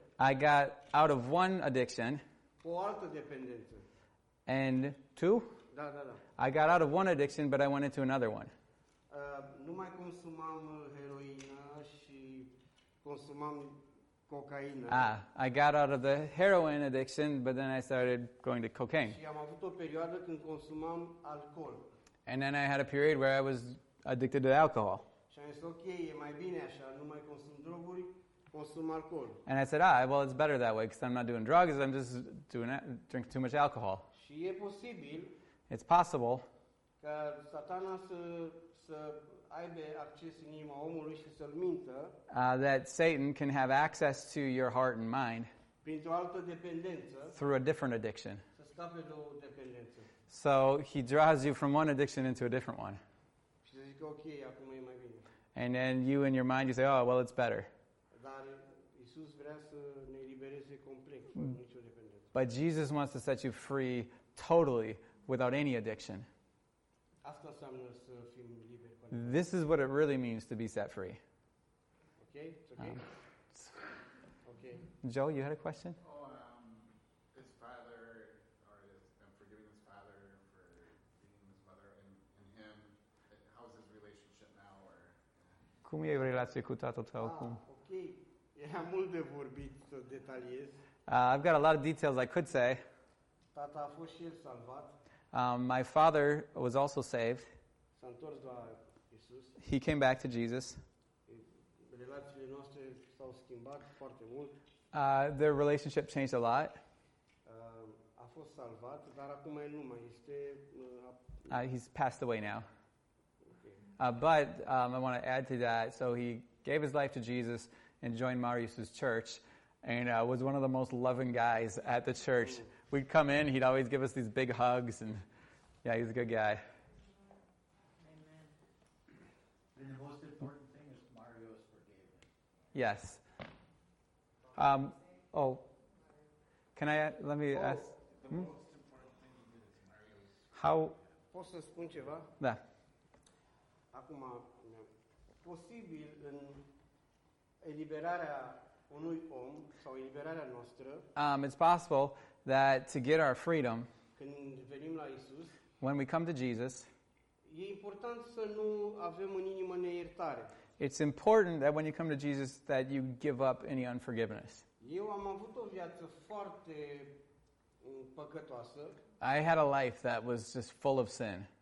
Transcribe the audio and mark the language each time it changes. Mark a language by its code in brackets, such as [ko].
[en] I got out of one addiction. [ro] O altă dependență. [en] And two? [ro] Da. [en] I got out of one addiction, but I went into another one. [ro] Nu mai consumam heroină și consumam cocaină. [en] I got out of the heroin addiction, but then I started going to cocaine. [ro] Și am avut o perioadă când consumam alcool. [en] And then I had a period where I was addicted to alcohol. [ro] Și am zis, ok, e mai bine așa, nu mai consum droguri, consum alcool. [en] And I said, it's better that way, because I'm not doing drugs, I'm just drinking too much alcohol. [ro] Și e posibil. [en] It's possible [ro] că Satana să aibă acces în inima omului și să-l mintă. [en] That Satan can have access to your heart and mind [ro] printr-o altă dependență, [en] through a different addiction. [ro] Să scape de o dependență. [en] So he draws you from one addiction into a different one. [ro] Și să zic, ok, acum e mai bine. [en] And then you in your mind you say, oh, well, it's better. [ro] Dar Iisus vrea să ne elibereze complet cu nicio dependență. [en] But Jesus wants to set you free totally without any addiction. [ro] Asta înseamnă să fim liber. [en] This is what it really means to be set free. Okay, it's okay. Okay. Joe, you had a question? His father, or is I'm forgiving his father for being his mother and him. How is his relationship now? Or [ro] cum e relația cu tatăl tău acum? Okay. E mult de vorbit, să detaliez. [en] I've got a lot of details I could say. [ro] Tata a fost și el salvat. [en] My father was also saved. [ro] S-a întors la Iisus. [en] He came back to Jesus. [ro] Relațiile noastre s-au schimbat foarte mult. [en] Their relationship changed a lot. [ro] A fost salvat, dar acum el nu mai este. [en] He's passed away now. Okay. But I want to add to that. So he gave his life to Jesus and joined Marius's church, and was one of the most loving guys at the church. Mm. We'd come in, he'd always give us these big hugs, and yeah, he's a good guy. Amen. And the most important thing is Mario's forgiveness. Yes. Let me ask. The most important thing you did is Mario's. [ro] Poți să spun ceva? Da. Acum, posibil în eliberarea unui om sau eliberarea noastră. [en] It's possible that to get our freedom, [ro] când venim la Iisus, [en] when we come to Jesus, [ro] e important să nu avem în inimă neiertare. [en] It's important that when you come to Jesus that you give up any unforgiveness. [ro] Eu am avut o viață foarte păcătoasă. [en] I had a life that was just full of sin.